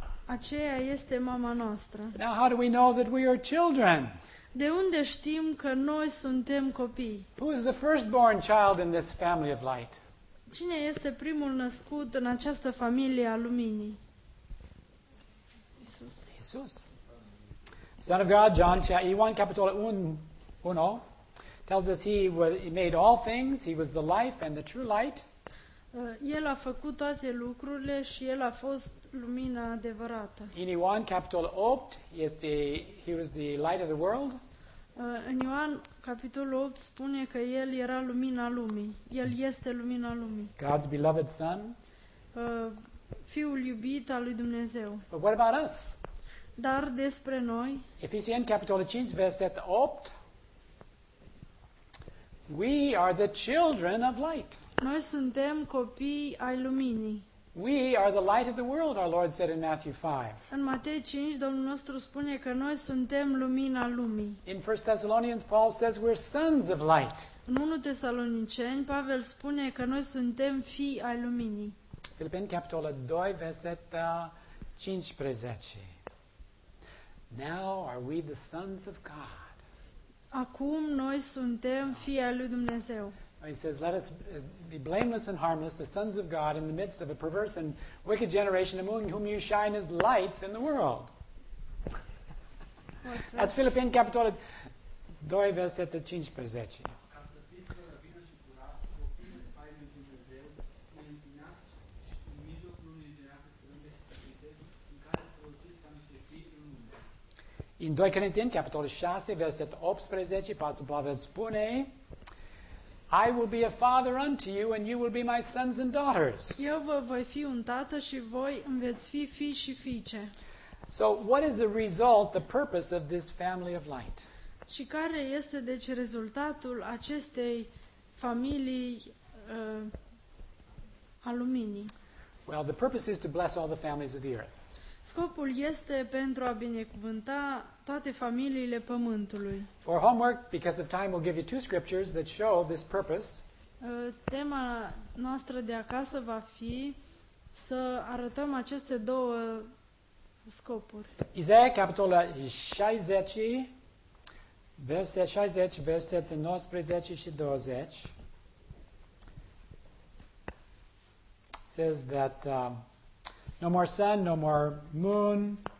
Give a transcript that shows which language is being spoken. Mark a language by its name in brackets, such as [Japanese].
[Romanian] Aceea este mama noastră. [English] Now how do we know that we are children? [Romanian] De unde știm că noi suntem copii? [English] Who is the firstborn child in this family of light? [Romanian] Cine este primul născut în această familie a luminii? Isus. Isus. [English] Son of God, John, [Romanian] Ioan, capitolul 1, [English] tells us he made all things, he was the life and the true light. [Romanian] El a făcut toate lucrurile și el a fost lumina adevărată. [English] In [Romanian] Ioan, capitolul 8, [English] he was the light of the world. [Romanian] În Ioan capitolul 8 spune că el era lumina lumii. El este lumina lumii. [English] God's beloved son. [Romanian] Fiul iubit al lui Dumnezeu. [English] But what about us? [Romanian] Dar despre noi. Efesieni capitolul 5 verset 8. [English] We are the children of light. [Romanian] Noi suntem copii ai luminii. [English] We are the light of the world, our Lord said in Matthew 5. [Romanian] În Matei 5, Domnul nostru spune că noi suntem lumina lumii. [English] In 1 Thessalonians, Paul says we're sons of light. [Romanian] În 1 Tesaloniceni, Pavel spune că noi suntem fii ai luminii. Filipeni capitolul 2, versetul 15. [English] Now are we the sons of God? [Romanian] Acum noi suntem fii ai lui Dumnezeu. [English] He says, let us be blameless and harmless, the sons of God, in the midst of a perverse and wicked generation among whom you shine as lights in the world. That's Philippians chapter 2, verse 15. In 2 Corinthians chapter 6, verse 18, Pastor [Romanian] Pavel spune, [English] I will be a father unto you and you will be my sons and daughters. [Romanian] Eu vă voi fi un tată și voi îmi veți fi fii și fiice. [English] So what is the result, the purpose of this family of light? [Romanian] Și care este deci rezultatul acestei familii a luminii? [English] Well, the purpose is to bless all the families of the earth. [Romanian] Scopul este pentru a binecuvânta toate familiile pământului. [English] For homework, because of time, we'll give you two scriptures that show this purpose. [Romanian] Tema noastră de acasă va fi să arătăm aceste două scopuri. Isaia capitolul 60, verset 60, versete 19 și 20, [English] says that no more sun, no more moon.